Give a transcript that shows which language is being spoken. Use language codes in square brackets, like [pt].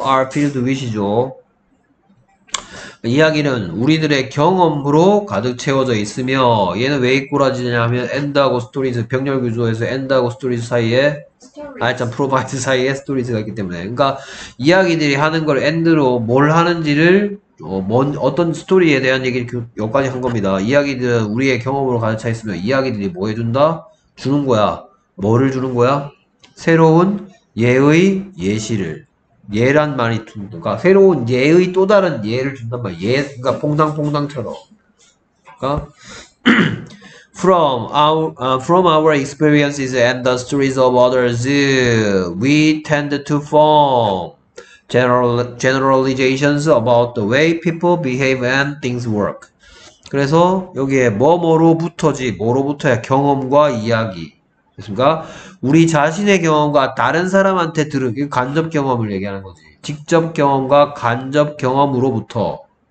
[en] are filled with [ko] 이죠. 이야기는 우리들의 경험으로 가득 채워져 있으며 얘는 왜 이꼬라지냐면 end하고 stories 병렬 구조에서 end하고 stories 사이에 아니 참 provide 사이에 stories가 있기 때문에 그러니까 이야기들이 하는 걸 end로 뭘 하는지를 어떤 스토리에 대한 얘기를 여기까지 한 겁니다. 이야기들은 우리의 경험으로 가득 차 있으며 이야기들이 뭐 해준다? 주는 거야. 뭐를 주는 거야? 새로운 예의 예시를. 예란 말이 둔, 그러니까 새로운 예의 또 다른 예를 준단 말이야. 예, 그러니까 퐁당퐁당처럼. 그러니까 [en] from our experiences and the stories of others, we tend to form generalizations about the way people behave and things work. [ko] 그래서 여기에 뭐뭐로부터지, 뭐로부터야 경험과 이야기. 됐습니까? 우리 자신의 경험과 다른 사람한테 들은 간접 경험을 얘기하는 거지. 직접 경험과 간접 경험으로부터.